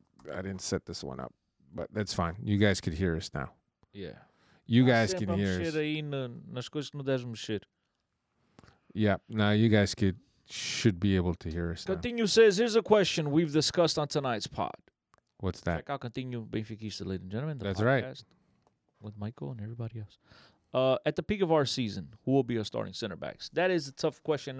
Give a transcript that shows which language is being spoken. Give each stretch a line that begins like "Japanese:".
English: I didn't set this one up, but that's fine. You guys could hear us now. Yeah. You guys can hear us.
Portuguese: Aí na, nas coisas que não deves mexer.
English: Yeah, now you guys should be able to hear us. Continue now. Says, here's a question we've discussed on tonight's pod. What's that? Check out Continue Benfiquista, ladies and gentlemen. That's right. With Michael and everybody else. At the peak of our season, who will be our starting center backs? That is a tough question.